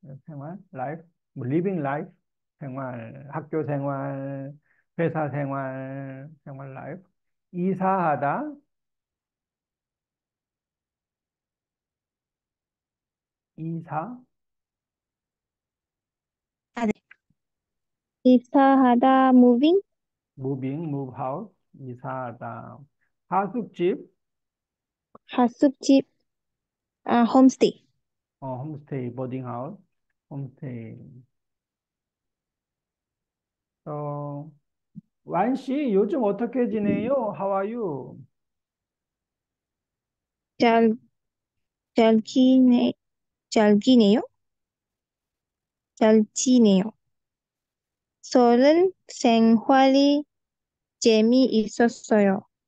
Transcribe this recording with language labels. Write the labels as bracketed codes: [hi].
[en] 생활, life, living life. [ko] 생활, 학교 생활, 회사 생활, 생활 life. 이사하다. 이사. 이사하다, moving. [en] Moving, move house, 이사하다. [ko] 하숙집. [en] Hasuki, homestay. Homestay, boarding house, homestay. [ko] 완 씨, 요즘 어떻게 지내요? [en] How are you? [ko] 잘 지내요? 잘 지내요. 서른 생활이 재미있었어요.